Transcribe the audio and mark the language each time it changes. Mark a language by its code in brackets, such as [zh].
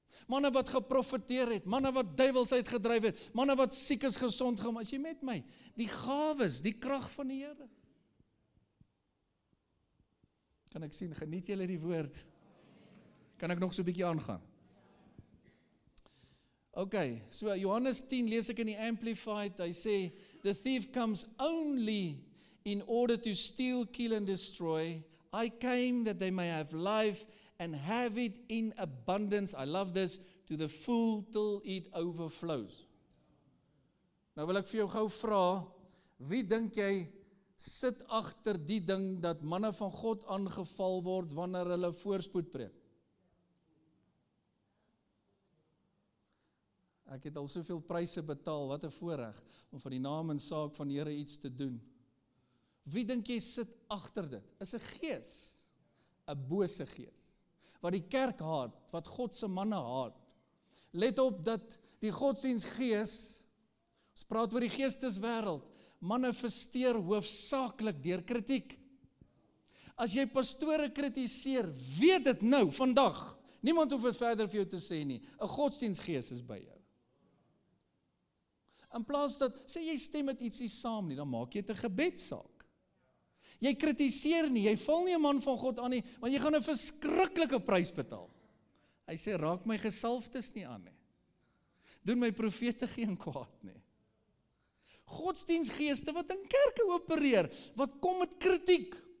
[af] Manne wat geprofeteer het, manne wat duiwels uitgedryf het, manne wat siek is gesond gemaak, as jy met my, die gawes, die krag van die Here. Kan ek sien, geniet julle die woord? Kan ek nog so 'n bietjie aangaan? Ok, so Johannes 10 lees ek in die Amplified, hy sê, [en] the thief comes only in order to steal, kill and destroy, I came that they may have life, and have it in abundance, I love this, to the full till it overflows. [af] Nou wil ek vir jou gou vra, wie dink jy sit agter die ding dat manne van God aangeval word wanneer hulle voorspoed preek? Ek het al soveel pryse betaal, wat 'n voorreg, om vir die naam en saak van die Here iets te doen. Wie dink jy sit agter dit? Is 'n gees, 'n bose gees. Wat die kerk haat, wat God se manne haat. Let op dat die godsdienstgees, ons praat oor die geesteswêreld, manifesteer hoofsaaklik deur kritiek. As jy pastore kritiseer, weet dit nou, vandag, niemand hoef het verder vir jou te sê nie, 'n godsdienstgees is by jou. In plaas dat, sê jy stem met ietsie saam nie, dan maak jy het 'n gebedsaak. Jy kritiseer nie, jy val nie 'n man van God aan nie, want jy gaan 'n verskriklike prys betaal. Hy sê, raak my gesalfdes nie aan nie. Doen my profete geen kwaad nie. Godsdienstgeeste wat in kerke opereer, wat kom met kritiek.